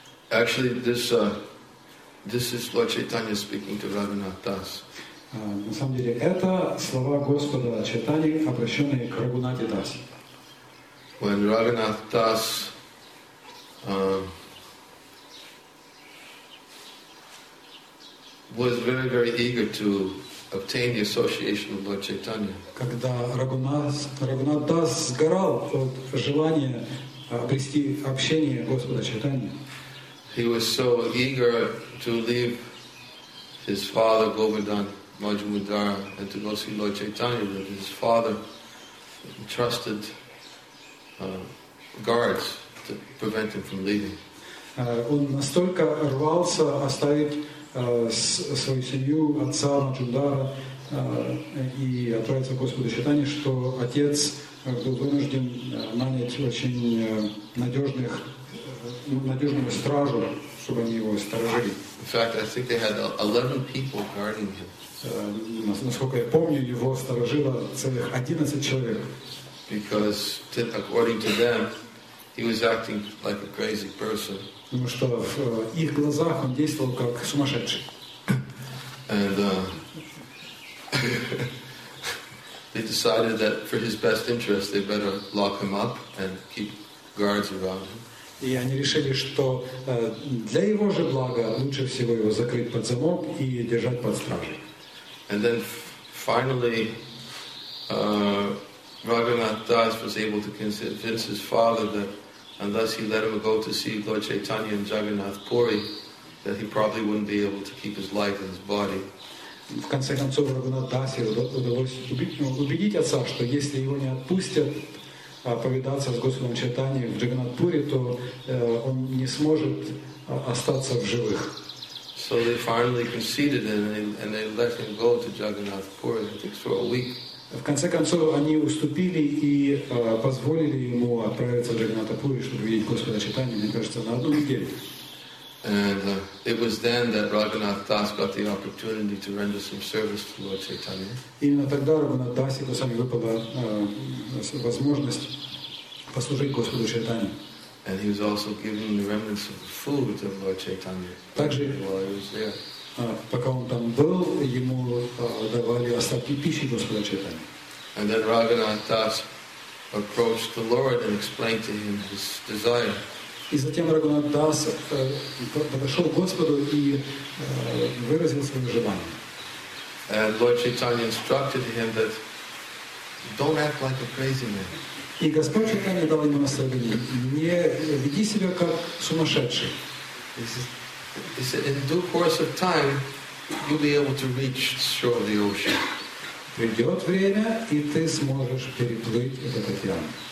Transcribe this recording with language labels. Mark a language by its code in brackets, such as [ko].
[en] Actually, this is Lord Chaitanya speaking to Raghunath Das. [ru] На самом деле, это слова Господа Чайтани, обращенные к Рагхунате Дас. [en] When Raghunath Das was very, very eager to obtain the association of Lord Chaitanya. [ru] Когда Рагхунат Дас сгорал от желания обрести общение Господа Чайтани. [en] He was so eager to leave his father Govardhan Majumdar and to go see Lord Chaitanya that his father entrusted guards to prevent him from leaving. [ru] Он настолько рвался оставить свою семью отца Маджумдара и отправиться к Господу Чайтанья, что отец был вынужден нанять очень надежную стражу, чтобы они его сторожили. [en] In fact, I think they had 11 people guarding him. [ru] Насколько я помню, его сторожило целых 11 человек. [en] Because, according to them, he was acting like a crazy person. [ru] Потому что в их глазах он действовал как сумасшедший. [en] And they decided that for his best interest, they better lock him up and keep guards around him. [ru] И они решили, что для его же блага лучше всего его закрыть под замок и держать под стражей. [en] And then finally, Raghunath Das was able to convince his father that unless he let him go to see Lord Chaitanya and Jagannath Puri, that he probably wouldn't be able to keep his life and his body. [ru] В конце концов, Раганат Дасе удалось убедить отца, что если его не отпустят повидаться с Господом Чайтаньей в Джаганнатпуре, то он не сможет остаться в живых. [en] So they finally conceded and they let him go to Jagannath Puri, I think, for a week. [ru] В конце концов, они уступили и позволили ему отправиться в Джаганнатпуре, чтобы видеть Господа Чайтанью, мне кажется, на одну неделю. [en] And it was then that Raghunath Das got the opportunity to render some service to Lord Chaitanya. [ru] Именно тогда Раганат Дас ему сами выпала возможность послужить Господу Чайтанье. [en] And he was also given the remnants of the food of Lord Chaitanya. [ru] Также, [en] while he was there, [ru] пока он там был, ему давали остатки пищи Господа Чайтанья. [en] And then Raghunath Das approached the Lord and explained to him his desire. [ru] И затем Раганат Дас подошел к Господу и выразил свое желание. [en] And Lord Chaitanya instructed him that don't act like a crazy man. [ru] И Господь Чайтанья дал ему наставление: не веди себя как сумасшедший. [en] He said, in due course of time, you'll be able to reach the shore of the ocean. [ru] Придет время, и ты сможешь переплыть этот океан.